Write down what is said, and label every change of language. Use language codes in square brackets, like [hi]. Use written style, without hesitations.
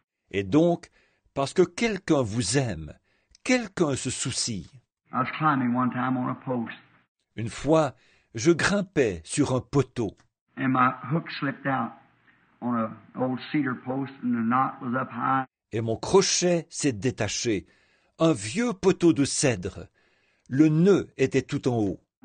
[fr] Et donc, parce que quelqu'un vous aime, quelqu'un se soucie. [en] I was climbing one time on a post. [fr] Une fois, je grimpais sur un poteau. [en] And my hook slipped out on an old cedar post and the knot was up high. [fr] Et mon crochet s'est détaché. Un vieux poteau de cèdre. Le nœud était tout en haut.